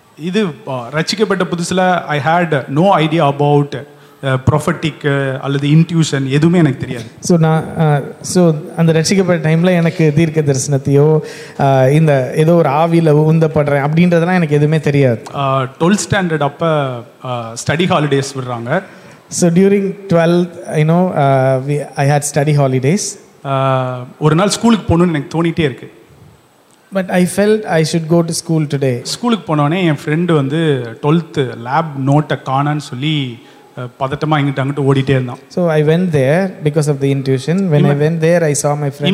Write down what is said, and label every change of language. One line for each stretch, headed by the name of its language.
Tamil: இது ரசிக்கப்பட்ட புதுசுல
English: I had no idea about prophetic
Tamil: அல்லது இன்ட்யூஷன், எதுவுமே எனக்கு தெரியாது. ஸோ நான் ஸோ அந்த ரசிக்கப்பட்ட டைம்ல எனக்கு தீர்க்க தரிசனத்தையோ இந்த ஏதோ ஒரு ஆவியில் உந்தப்படுறேன் அப்படின்றதுலாம் எனக்கு எதுவுமே தெரியாது. 12th ஸ்டாண்டர்ட் அப்ப ஸ்டடி ஹாலிடேஸ் விடுறாங்க.
English: So during 12th, you know, I had study holidays.
Tamil: ஒரு நாள் ஸ்கூலுக்கு போகணும்னு எனக்கு தோணிட்டே இருக்கு.
English: But I felt I should go to school today.
Tamil: ஸ்கூலுக்கு போனோடனே என் ஃப்ரெண்டு வந்து 12th லேப் நோட்டை காணான்னு சொல்லி பதட்டமாக எங்கிட்ட அங்கிட்ட ஓடிட்டே இருந்தான்.
English: So I went there because of the intuition. When I went there I saw my friend.